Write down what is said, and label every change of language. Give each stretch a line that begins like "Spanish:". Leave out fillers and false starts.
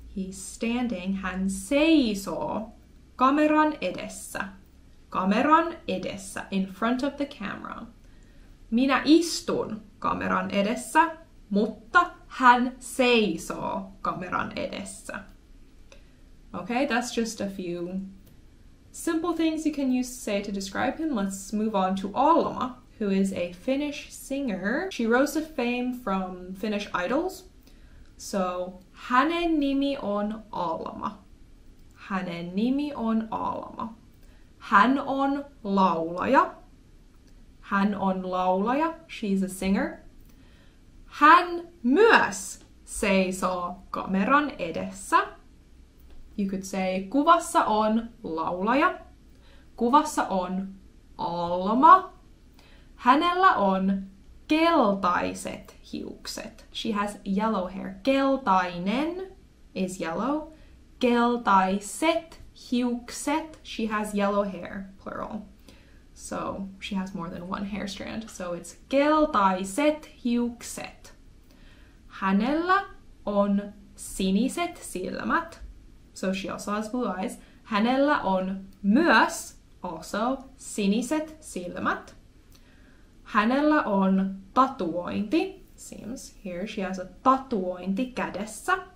English: He's standing.
Finnish: Hän seisoo kameran edessä. Kameran edessä.
English: In front of the camera.
Finnish: Minä istun kameran edessä, mutta hän seisoo kameran edessä.
English: Okay, that's just a few simple things you can use to say to describe him. Let's move on to Alma, who is a Finnish singer. She rose to fame from Finnish idols. So,
Finnish: hänen nimi on Alma. Hänen nimi on Alma. Hän on laulaja. Hän on laulaja.
English: She's a singer.
Finnish: Hän myös seisoo kameran edessä.
English: You could say,
Finnish: kuvassa on laulaja. Kuvassa on Alma. Hänellä on keltaiset hiukset.
English: She has yellow hair. Keltainen is yellow.
Finnish: Keltaiset hiukset.
English: She has yellow hair, plural. So she has more than one hair strand. So it's
Finnish: keltaiset hiukset. Hänellä on siniset silmät.
English: So she also has blue eyes.
Finnish: Hänellä on myös,
English: also,
Finnish: siniset silmät. Hänellä on tatuointi.
English: Seems here she has
Finnish: a tatuointi kädessä.